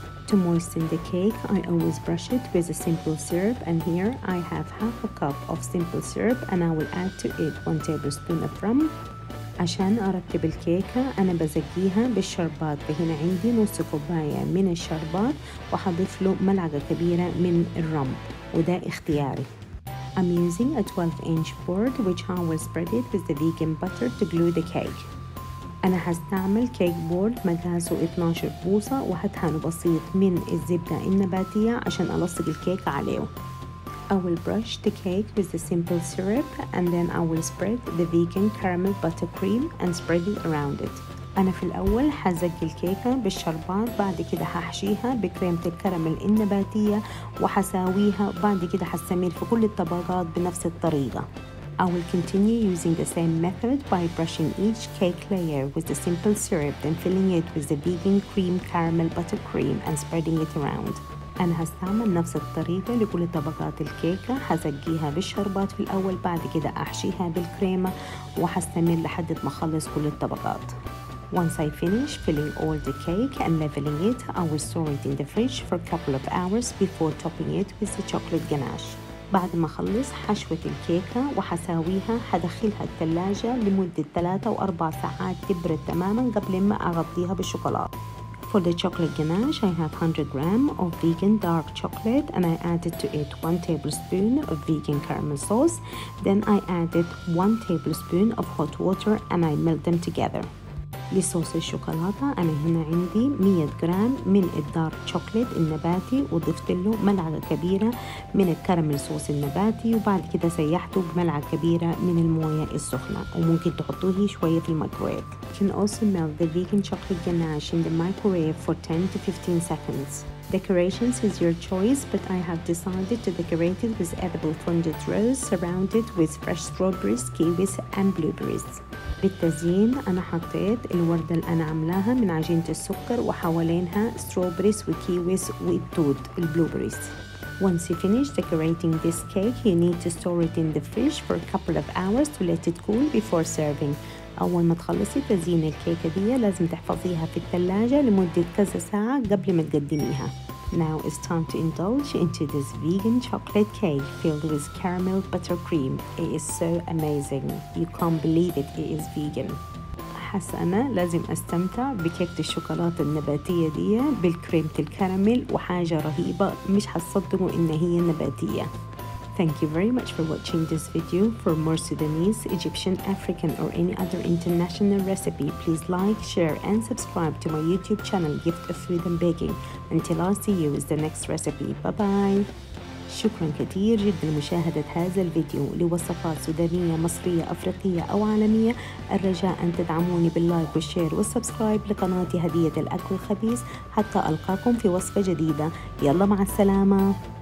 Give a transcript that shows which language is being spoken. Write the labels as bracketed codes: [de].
[en] To moisten the cake, I always brush it with a simple syrup, and here I have half a cup of simple syrup, and I will add to it 1 tablespoon of rum. [ar] عشان أرتب الكيكة أنا بزقيها بالشربات، فهنا عندي نص كوباية من الشربات وحضيف له ملعقة كبيرة من الرم، وده اختياري. [en] I'm using a 12-inch board which I will spread it with the vegan butter to glue the cake. [ar] أنا هستعمل كيك بورد مقاسه 12 بوصة وهدهنه بسيط من الزبدة النباتية عشان ألصق الكيك عليه. [en] I will brush the cake with the simple syrup and then I will spread the vegan caramel buttercream and spread it around it. [ar] أنا في الأول هزج الكيكة بالشربات، بعد كده هحشيها بكريمة الكراميل النباتية وحساويها، بعد كده هستمر في كل الطبقات بنفس الطريقة. [en] I will continue using the same method by brushing each cake layer with the simple syrup then filling it with the vegan cream caramel buttercream and spreading it around. [ar] أنا هستعمل نفس الطريقة لكل طبقات الكيكة، هزقيها بالشربات في الأول، بعد كده أحشيها بالكريمة وهستمر لحد ما أخلص كل الطبقات. [en] Once I finish filling all the cake and leveling it, I will store it in the fridge for a couple of hours before topping it with the chocolate ganache. [ar] بعد ما أخلص حشوة الكيكة وحساويها هدخلها الثلاجة لمدة 3-4 ساعات تبرد تماما قبل ما أغطيها بالشوكولاتة. [en] For the chocolate ganache, I have 100 grams of vegan dark chocolate and I added to it 1 tablespoon of vegan caramel sauce. Then I added 1 tablespoon of hot water and I melt them together. [ar] لصوص الشوكولاتة أنا هنا عندي 100 جرام من الدارك شوكليت النباتي وضفت له ملعقة كبيرة من الكراميل صوص النباتي، وبعد كده سيحته بملعقة كبيرة من الموية السخنة، وممكن تحطوه شوية في الميكرويف. [en] You can also melt the vegan chocolate ganache in the microwave for 10-15 seconds. Decorations is your choice, but I have decided to decorate it with edible fondant rose surrounded with fresh strawberries, kiwis and blueberries. [ar] بالتزيين أنا حطيت الوردة اللي أنا عملاها من عجينة السكر وحوالينها strawberries وكيويس والتوت البلوبريز. [en] Once you finish decorating this cake, you need to store it in the fridge for a couple of hours to let it cool before serving. [ar] أول ما تخلصي تزيين الكيكة دي لازم تحفظيها في الثلاجة لمدة كذا ساعة قبل ما تقدميها. [en] Now it's time to indulge into this vegan chocolate cake filled with caramel buttercream. It is so amazing. You can't believe it. It is vegan. [ar] حاسة أنا لازم أستمتع بكيكة الشوكولاتة النباتية دي بالكريمة الكراميل، وحاجة رهيبة مش هتصدقوا إن هي نباتية. [en] Thank you very much for watching this video. For more Sudanese, Egyptian, African or any other international recipe, please like, share and subscribe to my YouTube channel Gift of Food and Baking. Until I see you with the next recipe. Bye bye. [ar] شكرا كثير جدا لمشاهدة هذا الفيديو. لوصفات سودانية مصرية أفريقية أو عالمية، الرجاء أن تدعموني باللايك والشير والسبسكرايب لقناتي هدية الأكل الخبيث، حتى ألقاكم في وصفة جديدة. يلا مع السلامة.